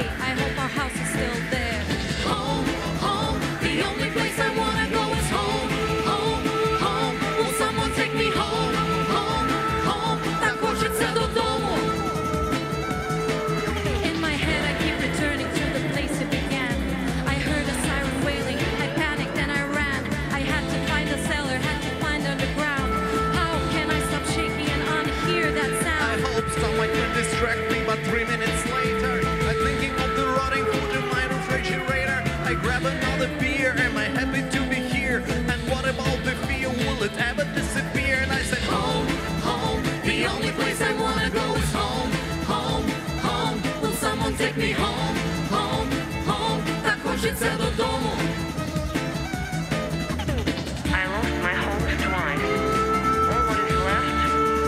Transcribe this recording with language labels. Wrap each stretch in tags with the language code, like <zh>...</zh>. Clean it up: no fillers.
<en>I hope our house is still there. Home, home, the only place I wanna go is home. Home, home, will someone take me home? Home, home,</en> <uk>також це додому.</uk> <en>In my head I keep returning to the place it began. I heard a siren wailing, I panicked and I ran. I had to find the cellar, had to find underground. How can I stop shaking and unhear that sound? I hope someone can distract me. But 3 minutes later, I'm thinking of the rotting food in my refrigerator. I grab another beer, am I happy to be here? And what about the fear, will it ever disappear? And I said, home, home, the only place I wanna go is home. Home, home, will someone take me home? Home, home,</en> <uk>так хочеться додому.</uk> <en>I lost my whole twine. All what is left</en>